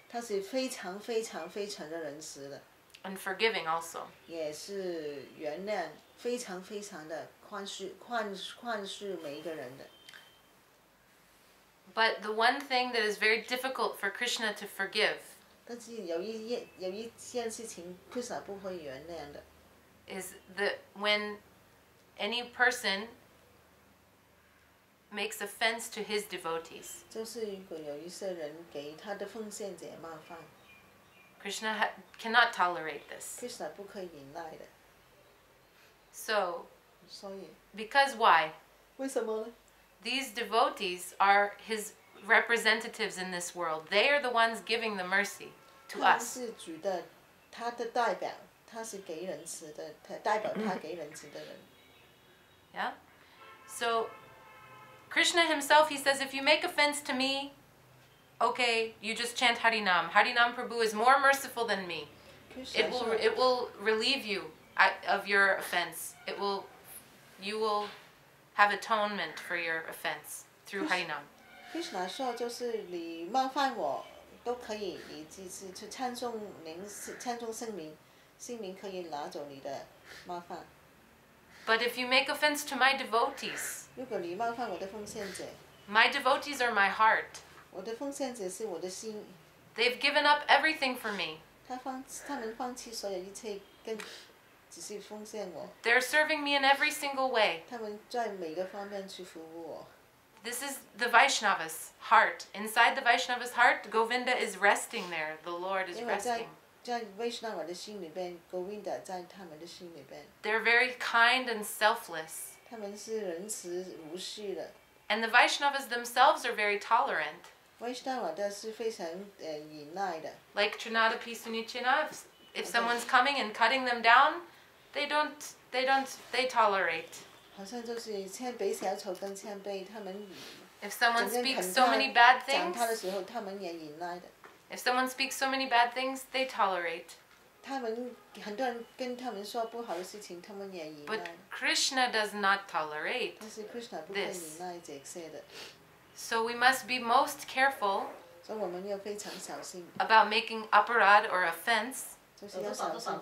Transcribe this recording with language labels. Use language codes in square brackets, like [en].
[zh] 他是非常非常非常的仁慈的。 [en] And forgiving also. [zh] 也是原谅，非常非常的宽恕，宽恕每一个人的。 [en] But the one thing that is very difficult for Krishna to forgive. [zh] 但是有一件事情 ，Krishna 不会原谅的。 [en] Is that when any person makes offense to his devotees? [zh] 就是如果有一些人给他的奉献者冒犯。 [en] Krishna cannot tolerate this. [zh] Krishna 不可以忍耐的。 [en] So, because why? [zh] 为什么呢? [en] These devotees are his representatives in this world. They are the ones giving the mercy to us. [zh] 他是主的，他的代表，他是给仁慈的，他代表他给仁慈的人。 [en] Yeah? So, Krishna himself, he says, if you make offense to me, okay, you just chant Harinam. Harinam Prabhu is more merciful than me. It will relieve you of your offense. You will have atonement for your offense through Harinam. [zh] Krishna 说就是你冒犯我都可以，你只是去称颂名，称颂圣名，圣名可以拿走你的冒犯。 [en] But if you make offense to my devotees, [zh] 如果你冒犯我的奉献者， [en] my devotees are my heart. [zh] 我的奉献者是我的心。 [en] They've given up everything for me. [zh] 他们放弃所有一切，跟只是奉献我。 [en] They're serving me in every single way. [zh] 他们在每个方面去服务我。 [en] This is the Vaishnava's heart. Inside the Vaishnava's heart, Govinda is resting there. The Lord is resting. [zh] 因为在Vaishnava的心里边 ，Govinda 在他们的心里边。 [en] They're very kind and selfless. [zh] 他们是仁慈无私的。 [en] And the Vaishnavas themselves are very tolerant. [zh] Vaishnava 都是非常忍耐的。 Like Trinada Pisunichina [en] If someone's coming and cutting them down, they tolerate. [zh] 好像就是谦卑小丑跟谦卑他们。 [en] If someone speaks so many bad things, [zh] 讲他的时候，他们也忍耐的。 [en] If someone speaks so many bad things, they tolerate. [zh] 他们很多人跟他们说不好的事情，他们也忍耐。 [en] But Krishna does not tolerate. [zh] 但是 Krishna 不会忍耐这些的。 [en] So we must be most careful. [zh] 所以我们要非常小心。 [en] About making aparad or offense. [zh] 就是要小心。